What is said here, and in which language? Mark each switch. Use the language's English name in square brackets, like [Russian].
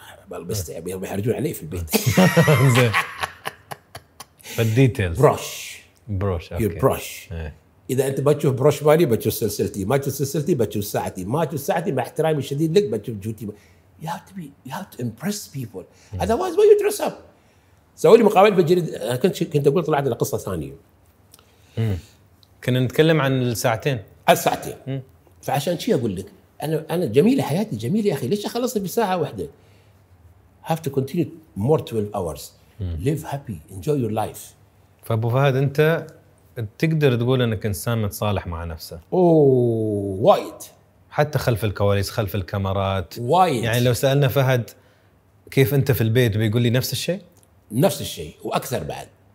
[Arabic] بلبسته أبي يحرجون عليه في البيت. زين. [English] The details. Brush. Brush. Okay. Your brush. [Arabic] إذا أنت بتشوف brush مالي بتشوف سلسلتي، ما تشوف سلسلتي بتشوف ساعتي، ما تشوف ساعتي مع احترامي الشديد لك بتشوف جوتي. [English] You have to be. You have to impress people. Otherwise, why you dress up? [Arabic] سوي لي مقابلة في الجريدة. كنت أقول طلعت لقصة ثانية. كنا نتكلم عن الساعتين. الساعتين. فعشان شيء أقول لك أنا جميلة حياتي جميلة يا أخي، ليش أخلصها بساعة واحدة؟ [English] Have to continue more 12 hours. Live happy, enjoy your life. [Arabic] فأبو فهد أنت تقدر تقول أنك إنسان متصالح مع نفسه. وايد. حتى خلف الكواليس خلف الكاميرات. وايد. يعني لو سألنا فهد كيف أنت في البيت بيقول لي نفس الشيء. نفس الشيء وأكثر بعد.